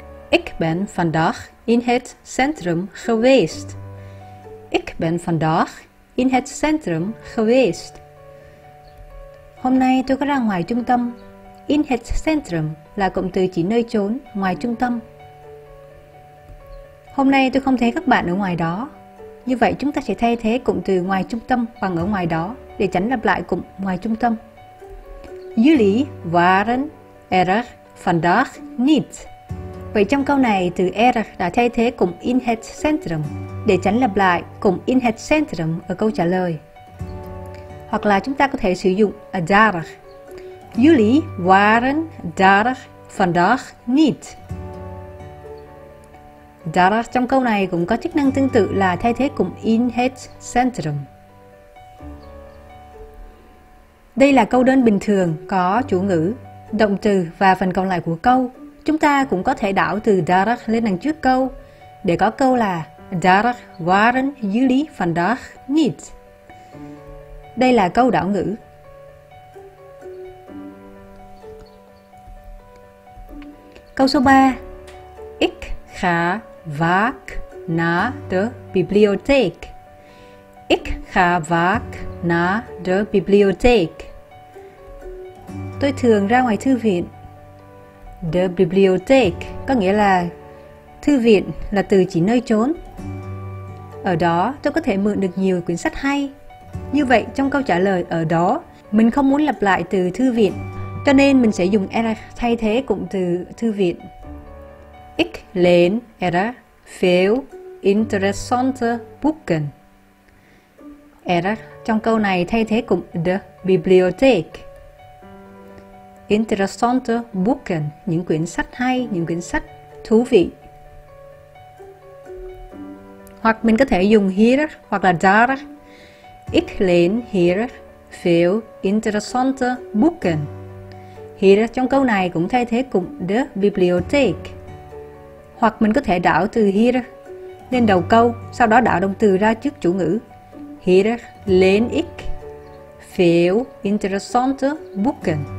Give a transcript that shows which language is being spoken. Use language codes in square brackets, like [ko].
[nl] Ik ben vandaag in het centrum geweest. Ik ben vandaag in het centrum geweest. [vi] Hôm nay tôi có ra ngoài trung tâm. In het centrum là cụm từ chỉ nơi chốn, ngoài trung tâm. Hôm nay tôi không thấy các bạn ở ngoài đó. Như vậy chúng ta sẽ thay thế cụm từ ngoài trung tâm bằng ở ngoài đó để tránh lặp lại cụm ngoài trung tâm. [nl] Jullie waren er vandaag niet. [vi] Vậy trong câu này, từ er đã thay thế cụm in het centrum để tránh lặp lại cụm in het centrum ở câu trả lời. Hoặc là chúng ta có thể sử dụng daar. [nl] Jullie waren daar vandaag niet. [vi] Daar trong câu này cũng có chức năng tương tự là thay thế cụm in het centrum. Đây là câu đơn bình thường có chủ ngữ, động từ và phần còn lại của câu. Chúng ta cũng có thể đảo từ daar lên đằng trước câu để có câu là [nl] daar waren jullie vandaag niet. [vi] Đây là câu đảo ngữ. Câu số 3. [nl] Ik ga vaak naar de bibliotheek. Ik ga vaak naar de bibliotheek. [vi] Tôi thường ra ngoài thư viện. De bibliotheek có nghĩa là thư viện, là từ chỉ nơi chốn. Ở đó tôi có thể mượn được nhiều quyển sách hay. Như vậy, trong câu trả lời ở đó, mình không muốn lặp lại từ thư viện, cho nên mình sẽ dùng er thay thế cụm từ thư viện. [nl] Ik leen er veel interessante boeken. [vi] Er trong câu này thay thế cụm de bibliotheek. [nl] Interessante boeken, [vi] những quyển sách hay, những quyển sách thú vị. Hoặc mình có thể dùng hier hoặc là daar. [nl] Ik leen hier veel interessante boeken. [vi] Hier trong câu này cũng thay thế cụm de bibliotheek. Hoặc mình có thể đảo từ hier lên đầu câu, sau đó đảo động từ ra trước chủ ngữ. [nl] Hier leen ik veel interessante boeken.